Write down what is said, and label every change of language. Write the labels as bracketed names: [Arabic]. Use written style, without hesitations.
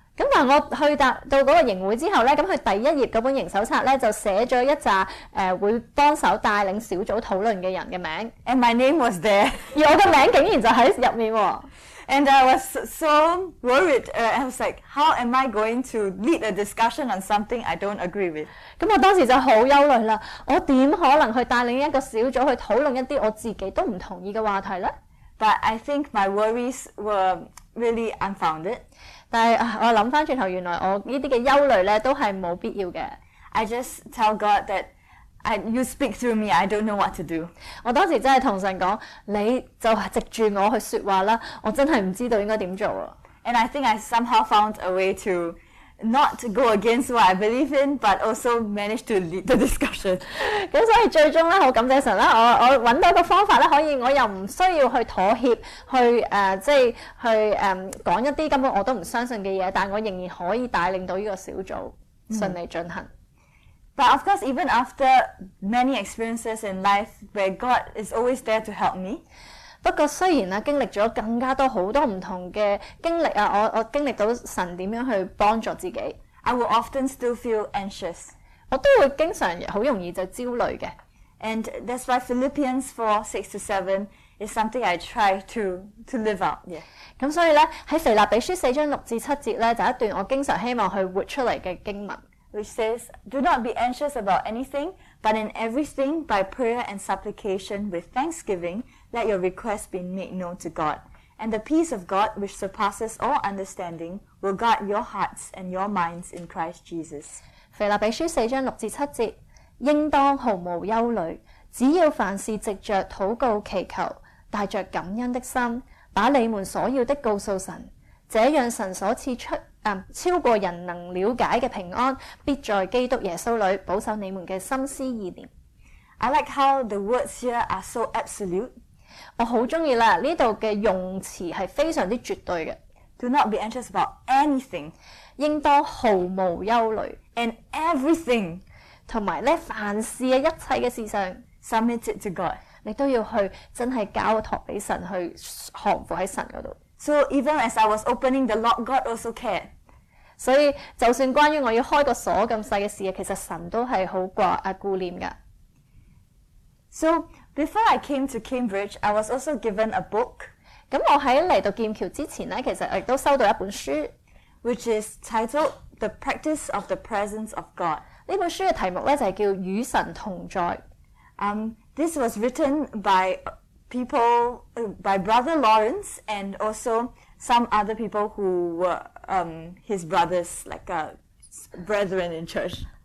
[Cantonese] 咁但我去達到嗰個營會之後咧，咁佢第一頁嗰本營手冊咧就寫咗一紮會幫手帶領小組討論嘅人嘅名。 [English] And my name was there. [Cantonese] 而我嘅名竟然就喺入面喎。 [English] And I was so worried. I was like, how am I going to lead a discussion on something I don't agree with? [Cantonese] 咁我當時就好憂慮啦。我點可能去帶領一個小組去討論一啲我自己都唔同意嘅話題咧 [English] ？But I think my worries were really unfounded. [Cantonese] 但我諗翻轉頭，原來我呢啲嘅憂慮咧都係冇必要嘅。 [English] I just tell God that. You speak through me. I don't know what to do. [Cantonese] 我當時真係同神講，你就藉住我去說話啦。我真係唔知道應該點做啊。 [English] And I think I somehow found a way to not go against what I believe in, but also manage to lead the discussion. [Cantonese] 咁所以最終咧，好感謝神啦。我揾到一個方法咧，可以我又唔需要去妥協，去即係去講一啲根本我都唔相信嘅嘢，但我仍然可以帶領到呢個小組順利進行。 [English] But of course, even after many experiences in life where God is always there to help me, [Cantonese] 不過雖然經歷了更加多很多不同的經歷，我經歷到神怎樣去幫助自己， [English] I will often still feel anxious. [Cantonese] 我都會經常很容易就焦慮的。 [English] And that's why Philippians 4:6-7 is something I try to live out. Yeah. [Cantonese] 咁所以咧，喺腓立比书四章六至七节咧，就一段我经常希望去活出嚟嘅经文 [English] ，which says, "Do not be anxious about anything, but in everything by prayer and supplication with thanksgiving, let your requests be made known to God. And the peace of God, which surpasses all understanding, will guard your hearts and your minds in Christ Jesus." [Cantonese] 腓立比书四章六至七节，应当毫无忧虑，只要凡事藉着祷告祈求，带着感恩的心。把你们所要的告诉神，这样神所赐出超过人能了解的平安，必在基督耶稣里保守你们的心思意念。 [English] I like how the words here are so absolute. [Cantonese] 我好中意啦，呢度嘅用词系非常之绝对嘅。 [English] Do not be anxious about anything. [Cantonese] 应当毫无忧虑。 [English] And everything. [Cantonese] 同埋咧，凡事嘅一切嘅事上 [English] ，submit it to God. [Cantonese] 你都要去真係交托俾神，去降服喺神嗰度。 [English] So even as I was opening the lock, God also cared. [Cantonese] 所以就算關於我要開個鎖咁細嘅事，其實神都係好顧念噶。 [English] So before I came to Cambridge, I was also given a book. [Cantonese] 咁我喺嚟到劍橋之前咧，其實亦都收到一本書 [English] ，which is titled The Practice of the Presence of God. [Cantonese] 呢本書嘅題目咧就係叫與神同在。 [English] This was written by people, by Brother Lawrence and also some other people who were his brothers, like brethren in church.